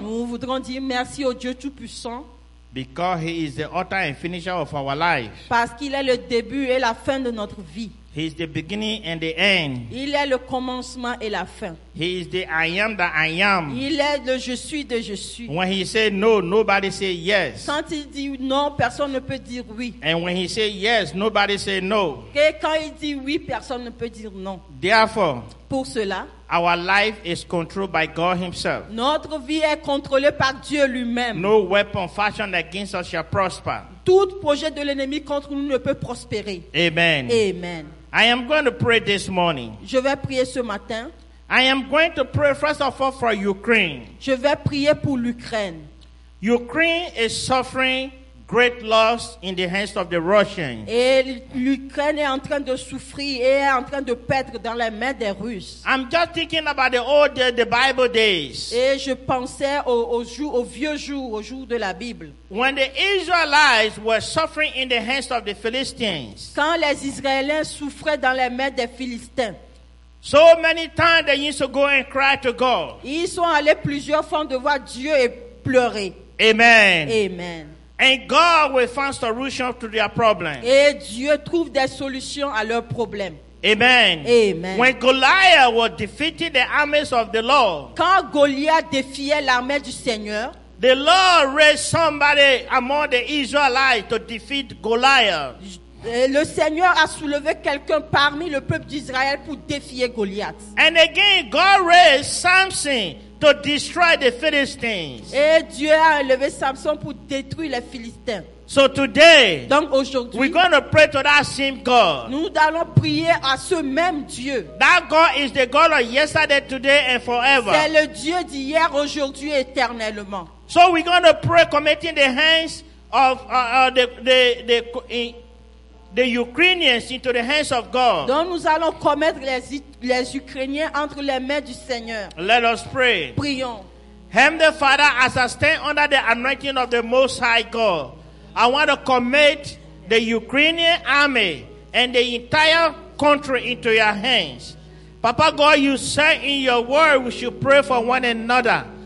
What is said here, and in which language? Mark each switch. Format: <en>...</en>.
<fr>Nous voudrons dire merci au Dieu Tout-Puissant.</fr> <en>Because he is the author and finisher of our life.</en> <fr>Parce qu'il est le début et la fin de notre vie.</fr> <en>He is the beginning and the end.</en> <fr>Il est le commencement et la fin.</fr> <en>He is the I am that I am.</en> <fr>Il est le je suis de je suis.</fr> <en>When he said no, nobody said yes.</en> <fr>Quand il dit non, personne ne peut dire oui.</fr> <en>And when he said yes, nobody said no.</en> <fr>Et quand il dit oui, personne ne peut dire non.</fr> <en>Therefore,</en> <fr>pour cela,</fr> <en>our life is controlled by God himself.</en> <fr>Notre vie est contrôlée par Dieu lui-même.</fr> <en>No weapon fashioned against us shall prosper.</en> <fr>Tout projet de l'ennemi contre nous ne peut prospérer. Amen. Amen.</fr> <en>I am going to pray this morning.</en> <fr>Je vais prier ce matin.</fr> <en>I am going to pray first of all for Ukraine.</en> <fr>Je vais prier pour l'Ukraine.</fr> <en>Ukraine is suffering great loss in the hands of the Russians.</en> <fr>Et l'Ukraine est en train de souffrir et est en train de perdre dans les mains des Russes.</fr> <en>I'm just thinking about the old the Bible days.</en> <fr>Et je pensais aux vieux jours, aux jours de la Bible.</fr> <en>When the Israelites were suffering in the hands of the Philistines.</en> <fr>Quand les Israéliens souffraient dans les mains des Philistins.</fr> <en>So many times they used to go and cry to God.</en> <fr>Ils sont allés plusieurs fois devant Dieu et pleurer. Amen. Amen.</fr> <en>And God will find solutions to their problems.</en> <fr>Et Dieu trouve des solutions à leurs problèmes. Amen. Amen.</fr> <en>When Goliath was defeating the armies of the Lord.</en> <fr>Quand Goliath défiait l'armée du Seigneur.</fr> <en>The Lord raised somebody among the Israelites to defeat Goliath.</en> <fr>Le Seigneur a soulevé quelqu'un parmi le peuple d'Israël pour défier Goliath.</fr> <en>And again, God raised Samson to destroy the Philistines.</en> <fr>Et Dieu a élevé Samson pour détruire les Philistins.</fr> <en>So today,</en> <fr>donc aujourd'hui,</fr> <en>we're going to pray to that same God.</en> <fr>Nous allons prier à ce même Dieu.</fr> <en>That God is the God of yesterday, today, and forever.</en> <fr>C'est le Dieu d'hier, aujourd'hui, éternellement.</fr> <en>So we're going to pray, committing the hands of the Ukrainians into the hands of God.</en> <fr>Donc nous allons commettre les Ukrainiens entre les mains du Seigneur.</fr> <en>Let us pray.</en> <fr>Prions.</fr> <en>Heavenly Father, as I stand under the anointing of the Most High God, I want to commit the Ukrainian army and the entire country into your hands. Papa God, you say in your word we should pray for one another.</en>